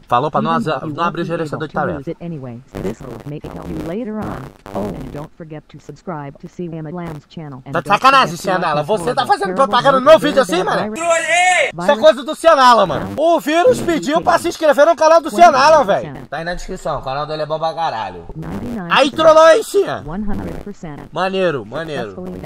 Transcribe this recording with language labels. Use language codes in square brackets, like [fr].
[pt] Falou pra nós não abrir o gerenciador de tarefas. [en] Anyway, this will make it help you later on. Oh, and don't forget to subscribe to CM Lamb's channel. [pt] Tá de sacanagem, Cianala. Você tá fazendo propaganda no meu vídeo assim, mano? Isso é coisa do Cianala, mano. O vírus pediu pra se inscrever no canal do Cianala, velho. Tá aí na descrição. O canal dele é bom pra caralho. Aí trollou, hein, Cian? Maneiro, maneiro.